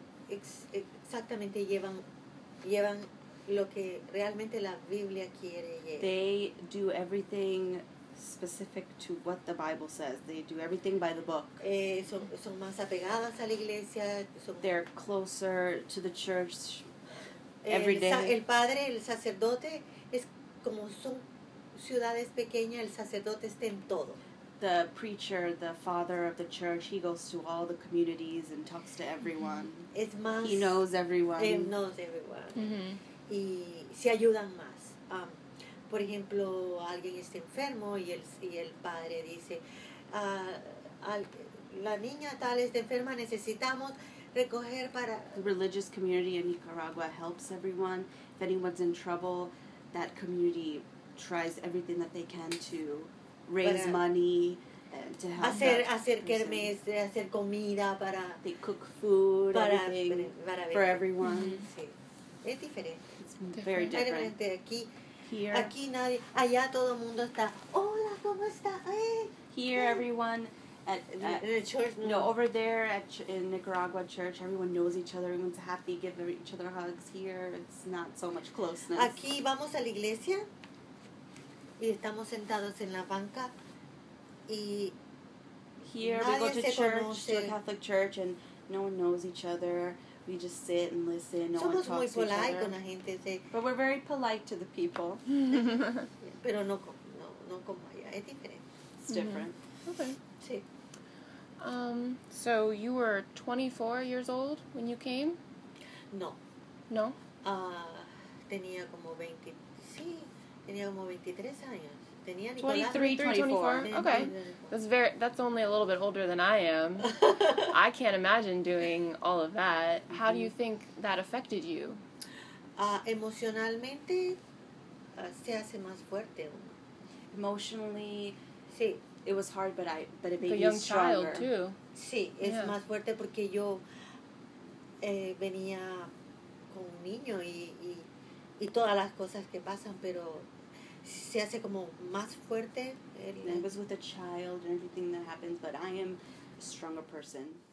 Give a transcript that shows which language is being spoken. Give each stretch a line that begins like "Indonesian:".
Spanish: Exactamente llevan lo que realmente la Biblia quiere.
English: They do everything specific to what the Bible says. They do everything by the book.
Spanish: Son más apegadas a la iglesia.
English: They're closer to the church every day.
Spanish: El padre, el sacerdote, es como son ciudades pequeñas, el sacerdote está en todo.
English: The preacher, the father of the church, he goes to all the communities and talks to everyone.
Spanish: Es más,
English: he knows everyone. He knows everyone. Mm-hmm.
Spanish: Y se ayudan más. Por ejemplo, alguien está enfermo y el padre dice, la niña tal está enferma, necesitamos recoger para...
English: The religious community in Nicaragua helps everyone. If anyone's in trouble, that community tries everything that they can to raise money and to help.
Spanish: Hacer kermes, hacer comida para...
English: They cook food, everything, for everyone.
Spanish: Sí. Es diferente.
English: It's very different.
Spanish: Aquí...
English: Here.
Spanish: Aquí nadie, allá todo mundo está, hola, ¿cómo está?
English: Here, everyone at the church, no, over there in Nicaragua church, everyone knows each other, everyone's happy, give each other hugs. Here, it's not so much closeness.
Spanish: Aquí vamos a la iglesia y estamos sentados en la banca y
English: here
Spanish: nadie
English: we go to church,
Spanish: conoce.
English: To a Catholic church, and no one knows each other. We just sit and listen. No
Spanish: somos
English: one talks
Spanish: muy
English: to each other.
Spanish: Con la gente, sí.
English: But we're very polite to the people.
Spanish: Pero no como allá. Es diferente.
English: It's different. Mm-hmm. Okay.
Spanish: Sí.
English: So you were 24 years old when you came? No. No?
Spanish: Tenía como 20. Sí, tenía como 23 años.
English: 23, 24. Okay. That's only a little bit older than I am. I can't imagine doing all of that. How mm-hmm. do you think that affected you?
Spanish: Emocionalmente, se hace más fuerte.
English: Emotionally,
Spanish: sí.
English: It was hard, but it made me stronger. A young child, too.
Spanish: Sí, es yeah. más fuerte porque yo venía con un niño y todas las cosas que pasan, pero... Se hace como más fuerte.
English: I was with a child and everything that happens, but I am a stronger person.